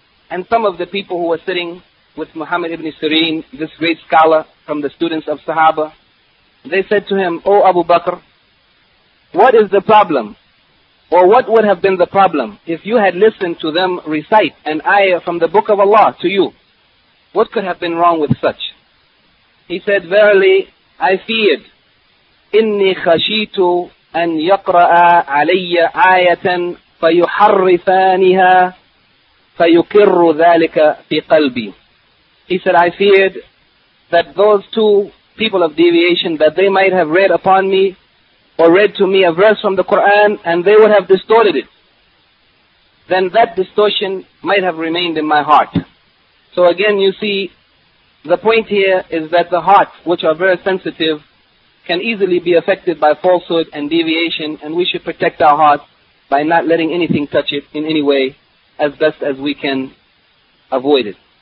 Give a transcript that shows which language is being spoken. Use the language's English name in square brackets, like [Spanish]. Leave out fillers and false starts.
[English] And some of the people who were sitting with Muhammad ibn Sirin, this great scholar from the students of Sahaba, they said to him, O Abu Bakr, what is the problem? Or what would have been the problem if you had listened to them recite an ayah from the book of Allah to you? What could have been wrong with such? He said, verily, I feared. [Arabic] إني خشيت أن يقرأ علي آية فيحرفانها فيكر ذلك في قلبي. [English] He said, I feared that those two people of deviation, that they might have read upon me or read to me a verse from the Quran and they would have distorted it. Then that distortion might have remained in my heart. So again, you see, the point here is that the hearts, which are very sensitive, can easily be affected by falsehood and deviation, and we should protect our hearts by not letting anything touch it in any way as best as we can avoid it.